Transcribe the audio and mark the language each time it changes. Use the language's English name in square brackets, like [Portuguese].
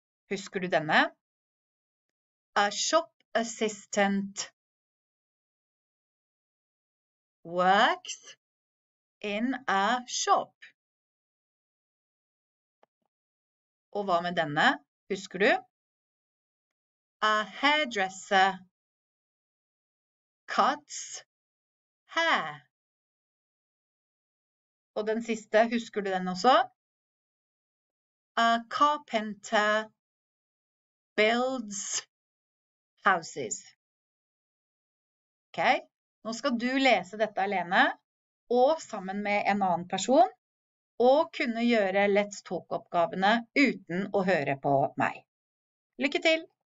[Norwegian] Husker du denne? [English] A shop assistant works in a shop. [Norwegian] Og hva med denne? Husker du? [English] A hairdresser cuts hair. [Norwegian] Og den siste, husker du den også? [English] A carpenter builds houses. [Norwegian] Ok, nå skal du lese dette alene og sammen med en annen person. Og kunne gjøre Let's Talk-oppgavene uten å høre på meg. Lykke til!